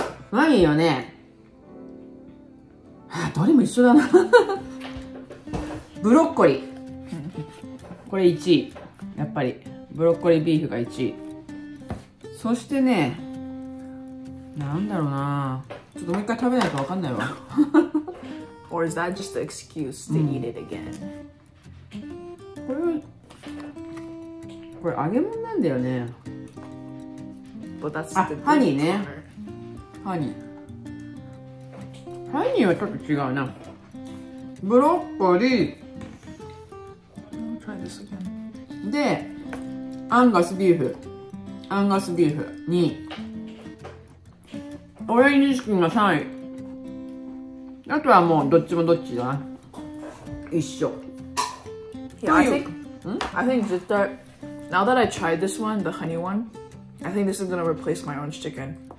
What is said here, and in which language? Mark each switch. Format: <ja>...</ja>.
<ja>まあいいよね、はあ、どれも一緒だなブロッコリーこれ1位、やっぱりブロッコリービーフが1位。そしてね、なんだろうな、ちょっともう一回食べないと分かんないわ。</ja> <en>Or is that just an excuse to eat it again?</en> <ja>これ揚げ物なんだよね。</ja> <en>But that's</en> <ja>あ、ハニーね。ハニー。ハニーはちょっと違うな。ブロッコリー。で、アンガスビーフ。アンガスビーフ2位、オレンジチキンが3位、あとはもうどっちもどっちだな、一緒。</ja> <en>I think 絶対 Now that I tried this one, the honey one, I think this is gonna replace my orange chicken.</en>